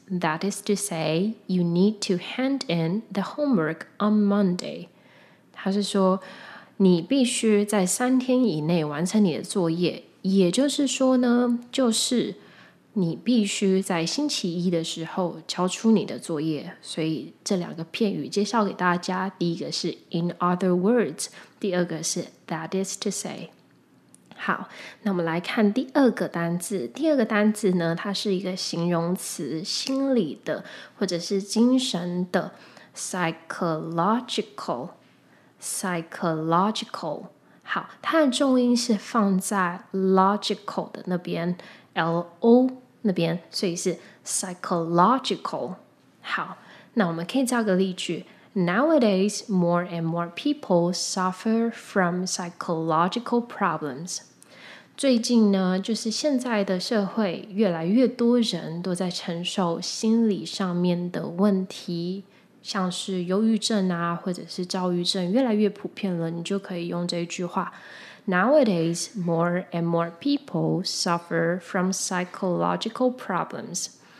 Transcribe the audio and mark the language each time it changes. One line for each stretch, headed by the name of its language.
English: That is to say, you need to hand in the homework on Monday.
Chinese: 它是说你必须在3天以内完成你的作业，也就是说呢，就是你必须在星期一的时候交出你的作业。所以这两个片语介绍给大家，第一个是
English: in other words，
Chinese: 第二个是
English: that is to say。
Chinese: 好，那我们来看第二个单字。第二个单字呢，它是一个形容词，心理的或者是精神的 psychological。好，它的重音是放在 logical 的那边， L-O 那边，所以是 psychological。好，那我们可以造个例句，
English: Nowadays, more and more people suffer from psychological problems.
Chinese: 最近呢，就是现在的社会越来越多人都在承受心理上面的问题，像是忧郁症啊，或者是躁郁症越来越普遍了，你就可以用这一句话
English: Nowadays, more and more people suffer from psychological problems.